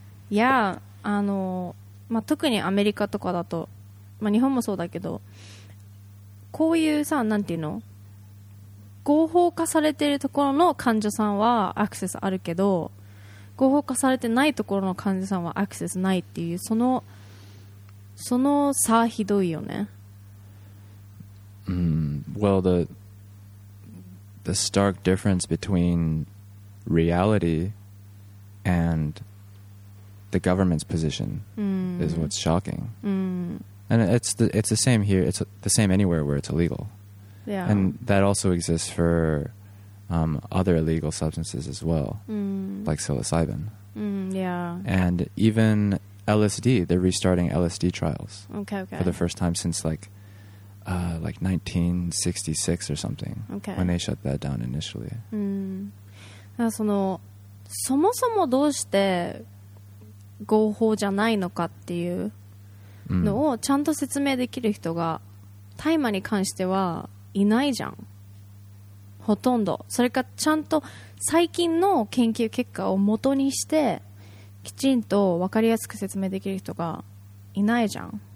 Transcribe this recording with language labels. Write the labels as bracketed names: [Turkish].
[Japanese] いや、まあ、特にアメリカとかだと、まあ、日本もそうだけど、こういうさ、なんていうの、合法化されているところの患者さんはアクセスあるけど、合法化されてないところの患者さんはアクセスないっていう、その差ひどいよね。 [English] Well, the stark difference between reality and the government's position is what's shocking. And it's the same here. It's the same anywhere where it's illegal. Yeah. And that also exists for other illegal substances as well, like psilocybin. And even LSD, they're restarting LSD trials. Okay. For the first time since like 1966 or something. Okay. When they shut that down initially. [Japanese] そもそもどうして合法じゃないのかっていうのをちゃんと説明できる人が大麻に関してはいないじゃん。ほとんど。それかちゃんと最近の研究結果を元にしてきちんと分かりやすく説明できる人がいないじゃん。